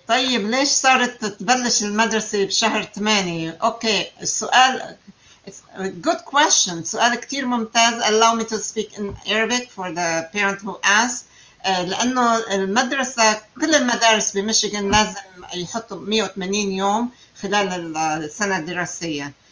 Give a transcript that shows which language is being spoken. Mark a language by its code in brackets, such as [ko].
[ar] طيب ليش صارت تبلش المدرسة بشهر 8؟ Okay. السؤال, [en] it's a good question. [ar] سؤال كتير ممتاز. [en] Allow me to speak in Arabic for the parent who asked. [ar] لأنه المدرسة, كل المدارس بميشيغان لازم يحطوا 180 يوم خلال السنة الدراسية.